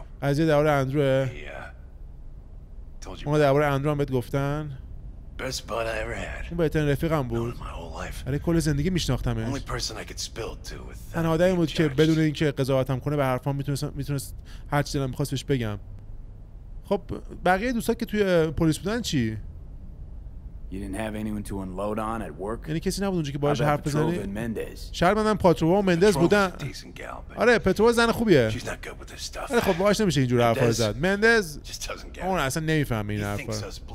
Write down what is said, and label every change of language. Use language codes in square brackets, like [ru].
[fa] از یه دوره اندروه. اونا دوره اندرو هم بهت گفتن [en] Best bud I ever had. [fa] اون بهترین رفیقم بود. آره کل زندگی میشناختمش. [en] Only person I could spill to with that. [fa] تنها آدمی بود که بدون اینکه قضاوتم کنه به حرفام میتونست هر چیزی دلم می‌خواست بهش بگم. خب بقیه دوستا که توی پلیس بودن چی؟ [en] You didn't have anyone to unload on at work. [fa] یعنی کسی نبود اونجا که باهاش حرف بزنی؟ شاید منم پاترو و مندز بودن. آره پاترو زن خوبیه. آره خب باهاش نمیشه اینجور حرفا زد. مندز اون اصلا نمیفهمه این حرفا.